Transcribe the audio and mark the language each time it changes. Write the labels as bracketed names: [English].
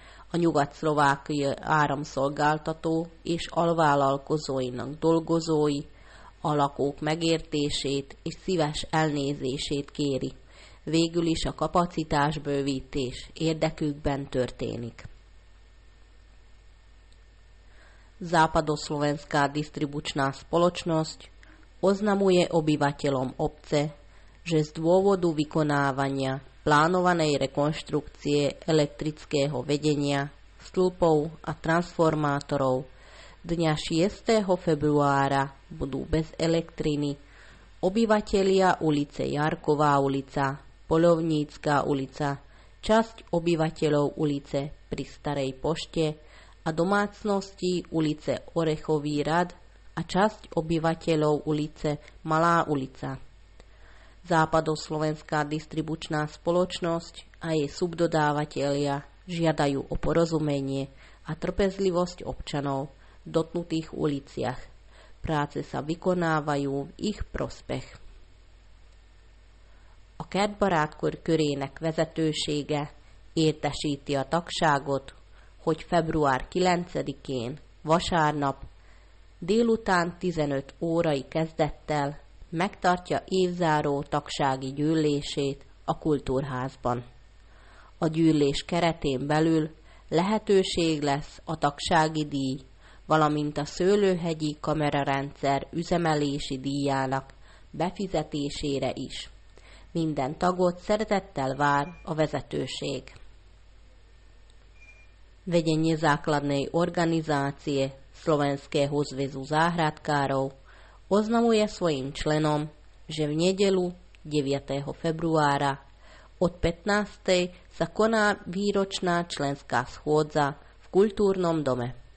[Hungarian] A nyugat-szlovákiai áramszolgáltató és alvállalkozóinak dolgozói a lakók megértését és szíves elnézését kéri. Végül is a kapacitásbővítés érdekükben történik. [Slovak] Západoszlovenská distribučná spoločnosť oznamuje obyvateľom obce, že z dôvodu vykonávania plánovanej rekonštrukcie elektrického vedenia, stĺpov a transformátorov dňa 6. februára budú bez elektriny obyvatelia ulice Jarková ulica, Polovnícká ulica, časť obyvateľov ulice pri Starej pošte a domácnosti ulice Orechový rad a časť obyvateľov ulice Malá ulica. Západoslovenská distribučná spoločnosť a jej subdodávatelia žiadajú o porozumenie a trpezlivosť občanov v dotknutých uliciach. Práce sa vykonávajú v ich prospech. [Hungarian] A Kertbarátkör körének vezetősége értesíti a tagságot, hogy február 9-én, vasárnap, délután 15 órai kezdettel megtartja évzáró tagsági gyűlését a kultúrházban. A gyűlés keretén belül lehetőség lesz a tagsági díj, valamint a szőlőhegyi kamerarendszer üzemelési díjának befizetésére is. Minden tagot szeretettel vár a vezetőség. [Slovak] Vedenie základnej organizácie Slovenského zväzu záhradkárov oznamuje svojim členom, že v nedeľu 9. februára od 15. sa koná výročná členská schôdza v kultúrnom dome.